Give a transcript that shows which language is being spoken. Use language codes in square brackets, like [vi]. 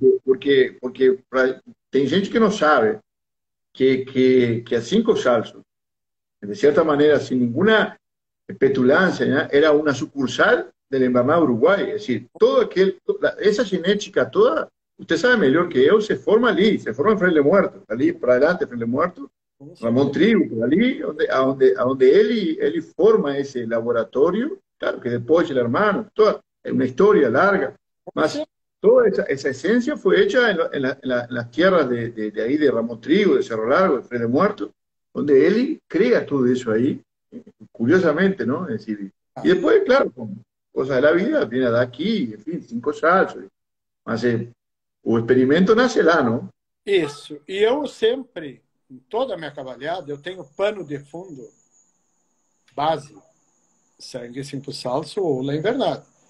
[pt] Porque tem gente que não sabe que a Cinco Salsos, de certa maneira, sem nenhuma petulância, né, era uma sucursal da Embamada Uruguai. É decir, essa genética toda, você sabe melhor que eu, se forma ali, se forma em Freire Muerto, ali [es] para adelante, [pt] Freire Muerto, Com Ramón Trigo, por ali, onde ele forma esse laboratório. Claro que depois ele é irmão, é uma história larga, Com mas. certeza. [es] Toda esa esencia fue hecha en las tierras de ahí, de Ramón Trigo, de Cerro Largo, de Freire Muerto, donde él crea todo eso ahí, curiosamente, ¿no? Es decir, y después, claro, [pt] coisas da vida, vem daqui, enfim, cinco chaves. Mas o experimento nasce lá, não? Isso. E eu sempre, em toda a minha cavalhada, eu tenho pano de fundo, base, sangue, cinco salsos ou La Invernada.